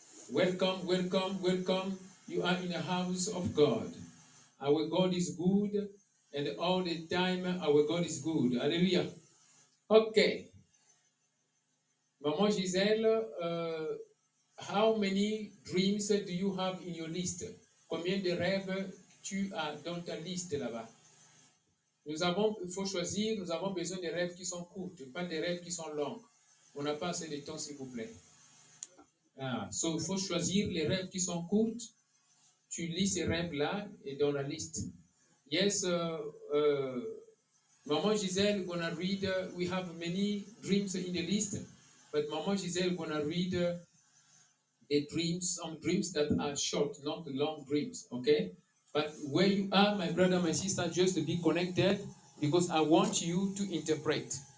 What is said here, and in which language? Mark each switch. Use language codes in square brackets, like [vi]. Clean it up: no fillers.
[en] Welcome. You are in the house of God. Our God is good, and all the time our God is good. Alléluia. OK. Maman Gisèle, how many dreams do you have in your list? [fr] Combien de rêves tu as dans ta liste là-bas? Nous avons besoin des rêves qui sont courtes, pas des rêves qui sont longues. On n'a pas assez de temps, s'il vous plaît. So, il faut choisir les rêves qui sont courtes. Tu lis ces rêves-là et dans la liste. [en] Yes, Maman Gisèle, gonna read. We have many dreams in the list, but Maman Gisèle gonna read the dreams, some dreams that are short, not long dreams. Okay, but where you are, my brother, my sister, just be connected, because I want you to interpret.